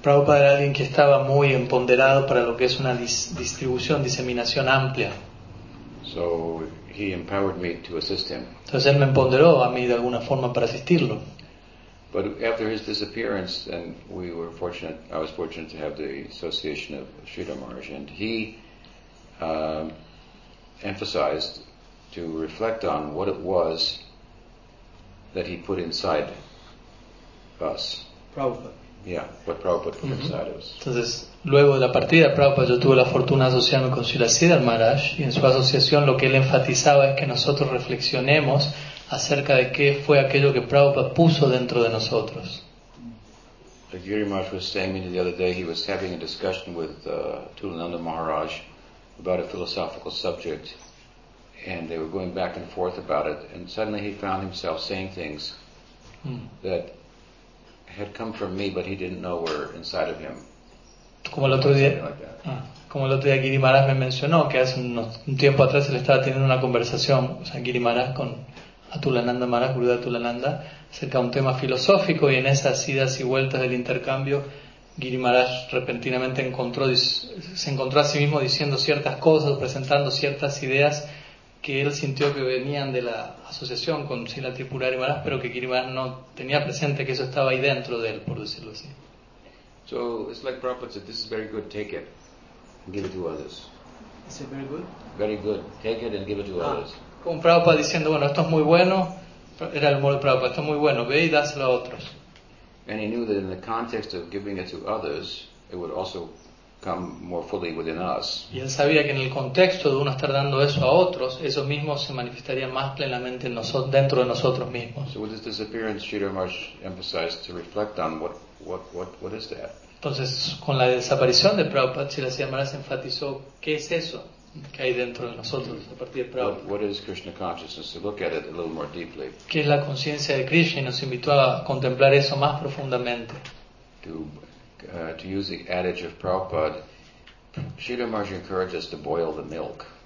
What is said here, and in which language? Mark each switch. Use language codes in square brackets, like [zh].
[es] Prabhupada era alguien que estaba muy empoderado para lo que es una diseminación amplia. [en] So he empowered me to assist him. [es] Entonces él me empoderó a mí de alguna forma para asistirlo. [en] But after his disappearance, and we were fortunate, I was fortunate to have the association of Sridhar Maharaj, and he emphasized to reflect on what it was that he put inside us. Prabhupada. Yeah, what Prabhupada put inside us. [es] Entonces, luego de la partida de Prabhupada, yo tuve la fortuna de asociarme con Srila Sridhar Maharaj, y en su asociación lo que él enfatizaba es que nosotros reflexionemos acerca de qué fue aquello que Prabhupada puso dentro de nosotros. [en] Like Giri Maharaj was saying to me the other day, he was having a discussion with Tulananda Maharaj about a philosophical subject, and they were going back and forth about it, and suddenly he found himself saying things that had come from me, but he didn't know were inside of him. [es] Como el otro día, como el otro día Giri Maharaj me mencionó que hace un tiempo atrás él estaba teniendo una conversación, o sea, Giri Maharaj con Atulananda Maharaj, Guru de Atulananda, acerca de un tema filosófico, y en esas idas y vueltas del intercambio, Giri Maharaj repentinamente se encontró a sí mismo diciendo ciertas cosas, presentando ciertas ideas que él sintió que venían de la asociación con Srila Tripurari Maharaj, pero que Giri Maharaj no tenía presente que eso estaba ahí dentro de él, por decirlo así. [en] So it's like Prabhupada said, this is very good, take it and give it to others. Is it very good? Very good, take it and give it to others. [es] Como Prabhupada diciendo, bueno, esto es muy bueno, era el modo de Prabhupada, esto es muy bueno, ve y dáselo a otros. [en] And he knew that in the context of giving it to others, it would also come more fully within us. [es] Y él sabía que en el contexto de uno estar dando eso a otros, eso mismo se manifestaría más plenamente en dentro de nosotros mismos. [en] So with his disappearance, Sridhar Maharaj emphasized to reflect on what is that? [es] Entonces, con la desaparición de Prabhupada, Sridhar Maharaj enfatizó, ¿qué es eso que hay dentro de nosotros a partir de Prabhupada? [en] What is Krishna consciousness? To look at it a little more deeply. [es] ¿Qué es la conciencia de Krishna? Y nos invitó a contemplar eso más profundamente. [en] To use the adage of Prabhupada, Sridhar Maharaj encouraged us to boil the milk.